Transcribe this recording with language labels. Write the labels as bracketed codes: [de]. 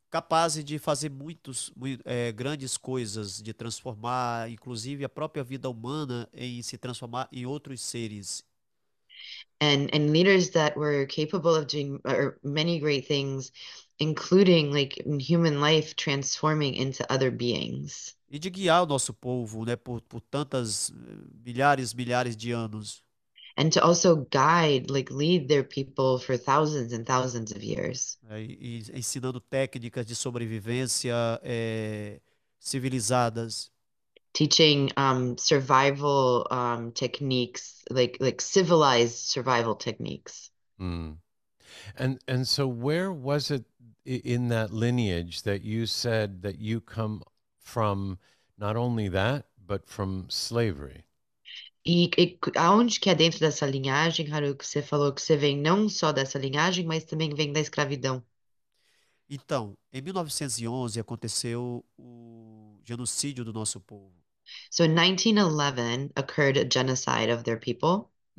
[pt] capazes de fazer grandes coisas, de transformar, inclusive, a própria vida humana em se transformar em outros seres. [en] And leaders that were capable of doing many great things, including like human life transforming into other beings. [pt] E de guiar o nosso povo, né, por tantas milhares, milhares de anos. [en] And to also guide, like lead their people for thousands and thousands of years. [pt] E ensinando técnicas de sobrevivência, civilizadas. [en] Teaching survival techniques, like civilized survival techniques. And so where was it in that lineage that you said that you come from not only that, but from slavery? [pt] E aonde que é dentro dessa linhagem, Haruki, que você falou que você vem não só dessa linhagem, mas também vem da escravidão? Então, em 1911 aconteceu o genocídio do nosso povo. [en] So in 1911 occurred a genocide of their people.